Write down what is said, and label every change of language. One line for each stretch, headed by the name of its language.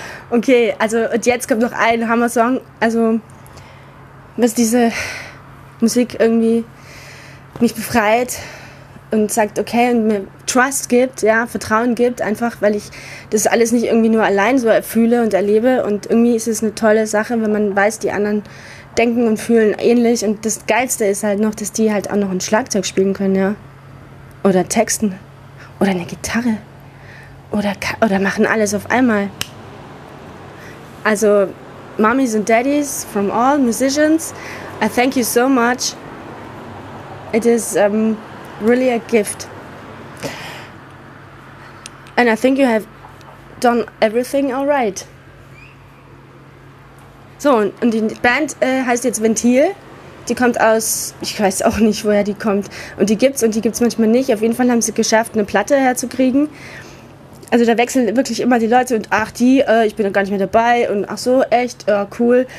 German: Okay, also und jetzt kommt noch ein Hammer-Song. Also, was diese Musik irgendwie mich befreit und sagt, okay, und mir Trust gibt, ja, Vertrauen gibt, einfach, weil ich das alles nicht irgendwie nur allein so fühle und erlebe. Und irgendwie ist es eine tolle Sache, wenn man weiß, die anderen denken und fühlen ähnlich. Und das Geilste ist halt noch, dass die halt auch noch ein Schlagzeug spielen können, ja. Oder texten. Oder eine Gitarre. Oder machen alles auf einmal.
English: Also, Mommies and Daddies from all musicians. I thank you so much. It is really a gift. And I think you have done everything all right.
German: So, und die Band heißt jetzt Ventil. Die kommt aus, ich weiß auch nicht, woher die kommt. Und die gibt's manchmal nicht. Auf jeden Fall haben sie geschafft, eine Platte herzukriegen. Also da wechseln wirklich immer die Leute und ach die, ich bin da gar nicht mehr dabei und ach so, echt, cool.